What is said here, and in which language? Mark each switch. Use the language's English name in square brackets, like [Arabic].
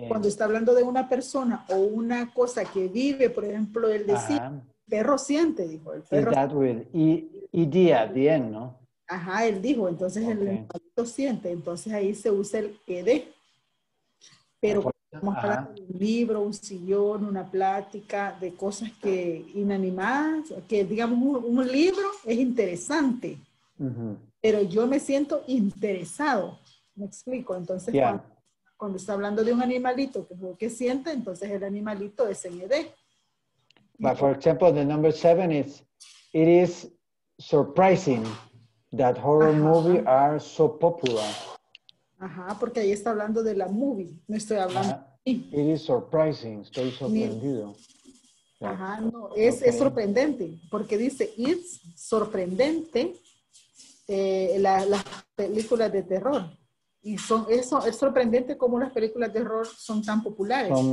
[Spanish] Cuando está hablando de una persona o una cosa que vive, por ejemplo, él decía, perro siente, dijo. El perro. [English] Is that with ED at the end, no? [Spanish] Ajá, él dijo, entonces okay. El perro siente, entonces ahí se usa el ED. Pero estamos hablando de un libro, un sillón, una plática, de cosas que inanimadas, que digamos un libro es interesante, uh-huh. pero yo me siento interesado, ¿me explico? Entonces yeah. cuando está hablando de un animalito, que es lo que siente, entonces el animalito es en ED. [English] But for example, the number seven is, it is surprising that horror movies are so popular. [Spanish] Ajá, porque ahí está hablando de la movie. No estoy hablando de mí. [English] It is surprising. [Spanish] Estoy sorprendido. Ajá, no. Es sorprendente. Porque dice, it's sorprendente las películas de terror. Y es sorprendente cómo las películas de terror son tan populares.